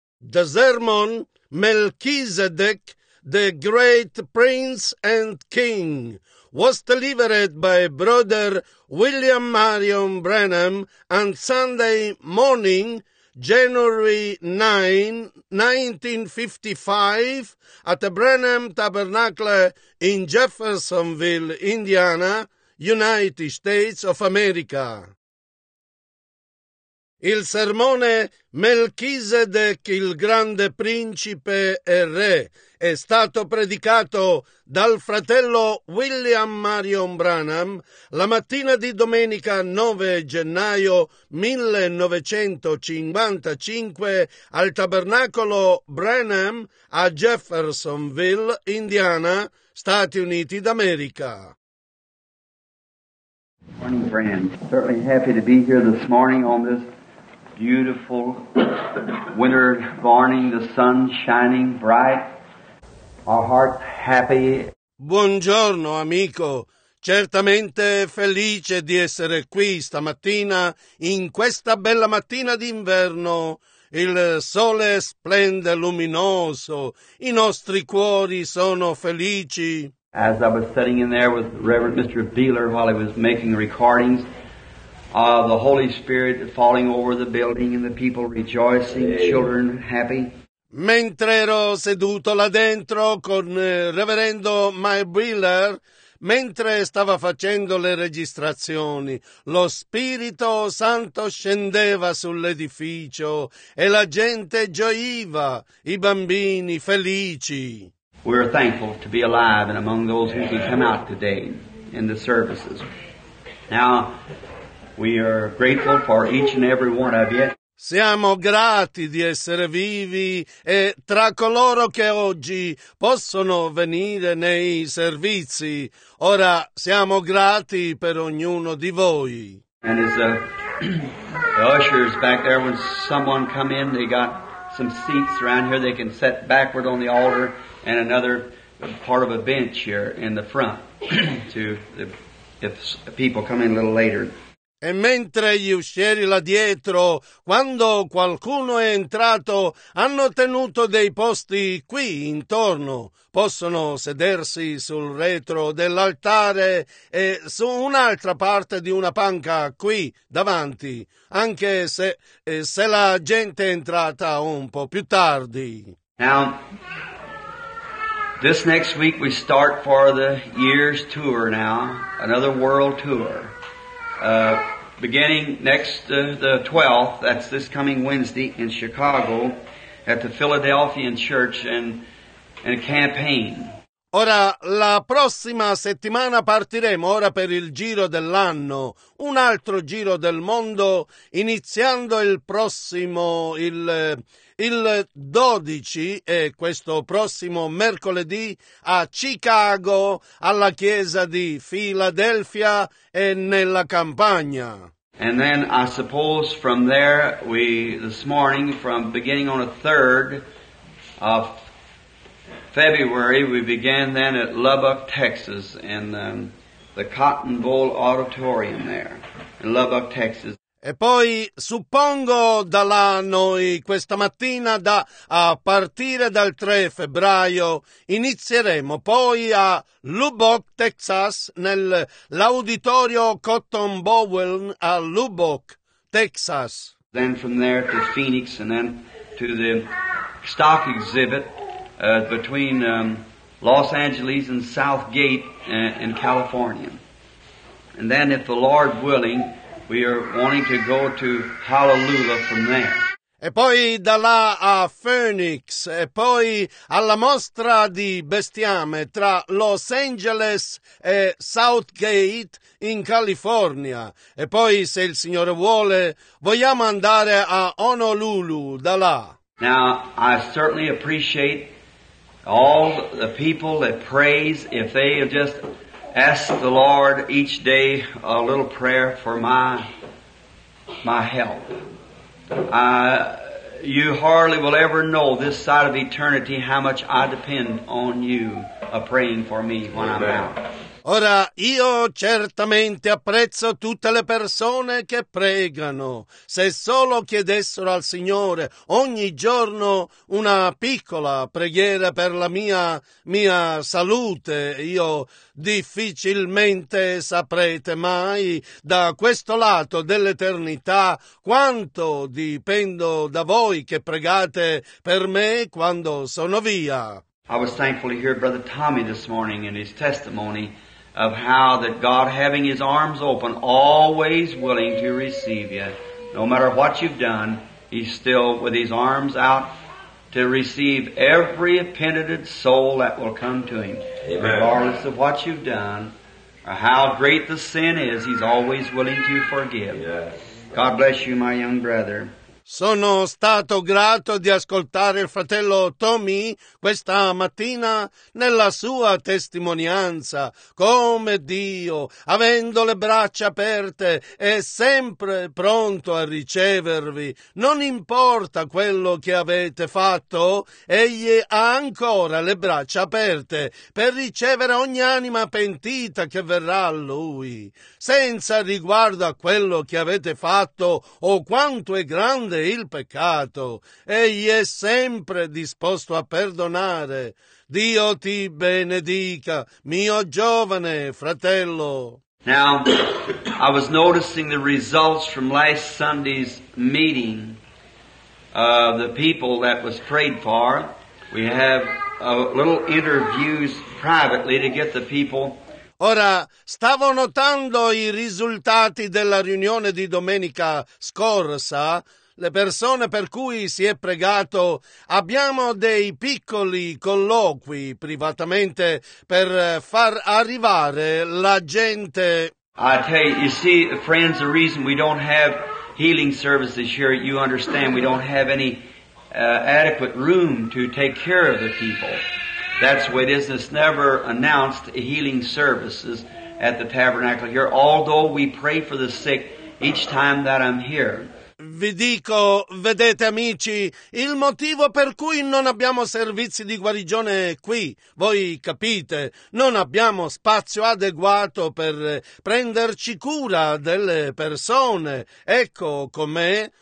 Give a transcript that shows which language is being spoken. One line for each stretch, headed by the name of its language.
English: the sermon Melchizedek, the great prince and king, was delivered by Brother William Marion Branham on Sunday morning, January 9, 1955, at the Branham Tabernacle in Jeffersonville, Indiana, United States of America.
Italian: Il sermone Melchizedek, il grande principe e re, è stato predicato dal fratello William Marion Branham la mattina di domenica 9 gennaio 1955 al tabernacolo Branham a Jeffersonville, Indiana, Stati Uniti d'America.
English: Good morning, friends. Certainly happy to be here this morning on this beautiful winter morning, the sun shining bright. Our heart happy.
Italian: Buongiorno amico, certamente felice di essere qui stamattina, in questa bella mattina d'inverno. Il sole splende luminoso, i nostri cuori sono felici.
English: As I was sitting in there with Reverend Mr. Beeler while he was making recordings, the Holy Spirit falling over the building and the people rejoicing, children happy.
Italian: Mentre ero seduto là dentro con Reverendo Mike Wheeler, mentre stava facendo le registrazioni, lo Spirito Santo scendeva sull'edificio e la gente gioiva, i bambini felici.
English: We are thankful to be alive and among those who can come out today in the services. Now, we are grateful for each and every one of you.
Italian: Siamo grati di essere vivi e tra coloro che oggi possono venire nei servizi. Ora siamo grati per ognuno di voi.
English: And as the ushers back there, when someone come in, they got some seats around here, they can sit backward on the altar and another part of a bench here in the front to the, if people come in a little later.
Italian: E mentre gli uscieri là dietro, quando qualcuno è entrato, hanno tenuto dei posti qui intorno. Possono sedersi sul retro dell'altare e su un'altra parte di una panca qui davanti, anche se, se la gente è entrata un po' più tardi.
English: Now, this next week we start for the year's tour now, another world tour. Beginning next the 12th, that's this coming Wednesday in Chicago, at the Philadelphian Church and campaign.
Italian: Ora, la prossima settimana partiremo, ora per il giro dell'anno, un altro giro del mondo, iniziando il prossimo, il 12, e questo prossimo mercoledì, a Chicago, alla chiesa di Filadelfia e nella campagna.
English: And then I suppose from there we this morning from beginning on the 3rd of February we began then at Lubbock, Texas in the Cotton Bowl Auditorium there in Lubbock, Texas.
Italian: E poi suppongo da là noi questa mattina da a partire dal 3 febbraio inizieremo poi a Lubbock, Texas, nell'auditorio Cotton Bowl a Lubbock, Texas.
English: Then from there to Phoenix and then to the stock exhibit between Los Angeles and Southgate in California. And then if the Lord willing, we are wanting to go to Hallelujah from there.
Italian: E poi da là a Phoenix, e poi alla mostra di bestiame tra Los Angeles e Southgate in California. E poi, se il Signore vuole, vogliamo andare a Honolulu da là.
English: Now, I certainly appreciate all the people that praise if they have just ask the Lord each day a little prayer for my help. You hardly will ever know this side of eternity how much I depend on you a praying for me when I'm out.
Italian: Ora, io certamente apprezzo tutte le persone che pregano. Se solo chiedessero al Signore ogni giorno una piccola preghiera per la mia salute, io difficilmente saprete mai da questo lato dell'eternità quanto dipendo da voi che pregate per me quando sono via.
English: I was thankful to hear Brother Tommy this morning in his testimony of how that God, having his arms open, always willing to receive you, no matter what you've done, he's still with his arms out to receive every penitent soul that will come to him. Amen. Regardless of what you've done or how great the sin is, he's always willing to forgive. Yes. God bless you, my young brother.
Italian: Sono stato grato di ascoltare il fratello Tommy questa mattina nella sua testimonianza, come Dio, avendo le braccia aperte, è sempre pronto a ricevervi. Non importa quello che avete fatto, egli ha ancora le braccia aperte per ricevere ogni anima pentita che verrà a lui. Senza riguardo a quello che avete fatto o quanto è grande il peccato, egli è sempre disposto a perdonare. Dio ti benedica, mio giovane fratello.
English: Now, I was noticing the results from last Sunday's meeting of the people that was prayed for. We have a little interviews privately to get the people.
Italian: Ora, stavo notando i risultati della riunione di domenica scorsa. Le persone per cui si è pregato, abbiamo dei piccoli colloqui privatamente per far arrivare la gente.
English: I tell you, you see, friends, the reason we don't have healing services here, you understand, we don't have any adequate room to take care of the people. That's the way it is. It's never announced healing services at the tabernacle here, although we pray for the sick each time that I'm here.
Italian: Vi dico, vedete amici, il motivo per cui non abbiamo servizi di guarigione qui, voi capite, non abbiamo spazio adeguato per prenderci cura delle persone, ecco com'è.